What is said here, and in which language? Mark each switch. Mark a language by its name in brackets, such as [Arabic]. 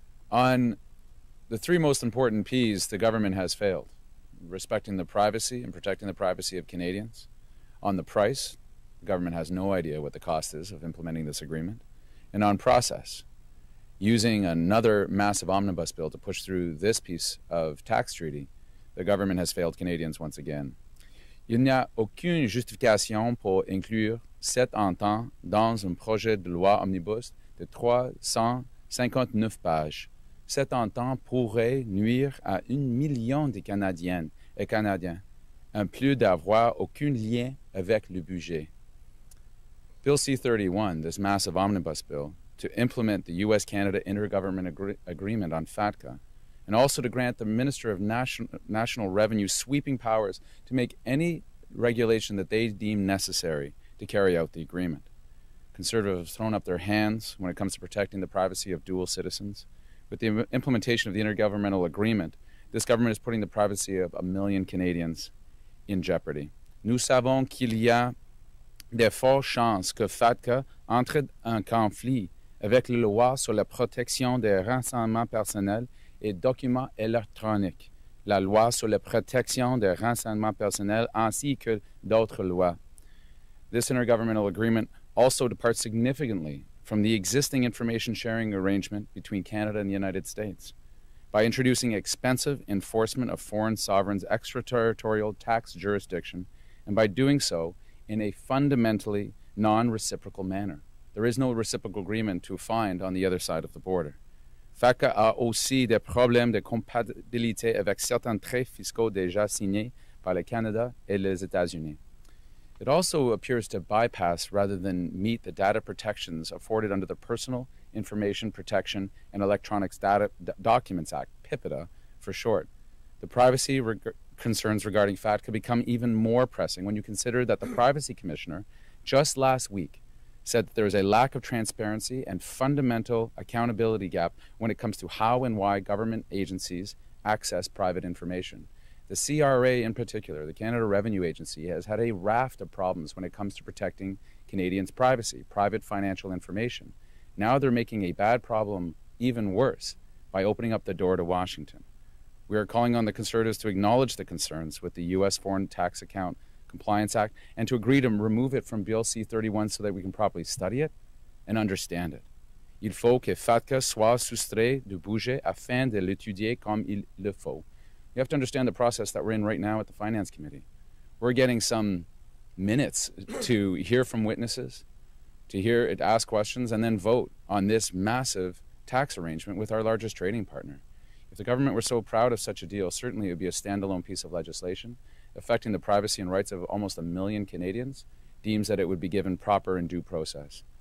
[English] On the three most important P's, the government has failed: respecting the privacy and protecting the privacy of Canadians. On the price, the government has no idea what the cost is of implementing this agreement. And on process, using another massive omnibus bill to push through this piece of tax treaty, the government has failed Canadians once again. [French] Il n'y a aucune justification pour inclure cette entente dans un projet de loi omnibus de 359 pages. Cette entente pourrait nuire à 1 million de Canadiennes et Canadiens, en plus d'avoir aucun lien avec le budget. [English] Bill C-31, this massive omnibus bill, to implement the U.S.-Canada Intergovernment Agreement on FATCA, and also to grant the Minister of National Revenue sweeping powers to make any regulation that they deem necessary to carry out the agreement. Conservatives have thrown up their hands when it comes to protecting the privacy of dual citizens. With the implementation of the Intergovernmental Agreement, this government is putting the privacy of 1 million Canadians in jeopardy. [French] Nous savons qu'il y a des fortes chances que FATCA entre en conflit avec la loi sur la protection des renseignements personnels et documents électroniques, la loi sur la protection des renseignements personnels ainsi que d'autres lois. [English] This intergovernmental agreement also departs significantly from the existing information sharing arrangement between Canada and the United States by introducing expensive enforcement of foreign sovereigns' extraterritorial tax jurisdiction, and by doing so in a fundamentally non-reciprocal manner. There is no reciprocal agreement to find on the other side of the border. [French] FATCA a aussi des problèmes de compatibilité avec certains traités fiscaux déjà signés par le Canada et les États-Unis. [English] It also appears to bypass rather than meet the data protections afforded under the Personal Information Protection and Electronics Data Documents Act, PIPEDA for short. The privacy concerns regarding FATCA become even more pressing when you consider that the Privacy Commissioner just last week said that there is a lack of transparency and fundamental accountability gap when it comes to how and why government agencies access private information. The CRA in particular, the Canada Revenue Agency, has had a raft of problems when it comes to protecting Canadians' privacy, private financial information. Now they're making a bad problem even worse by opening up the door to Washington. We are calling on the Conservatives to acknowledge the concerns with the U.S. Foreign Tax Account Compliance Act and to agree to remove it from Bill C-31 so that we can properly study it and understand it. [French] Il faut que FATCA soit soustrait du budget afin de l'étudier comme il le faut. [English] You have to understand the process that we're in right now at the Finance Committee. We're getting some minutes to hear from witnesses, to hear it, ask questions, and then vote on this massive tax arrangement with our largest trading partner. If the government were so proud of such a deal, certainly it would be a standalone piece of legislation affecting the privacy and rights of almost a million Canadians, deems that it would be given proper and due process.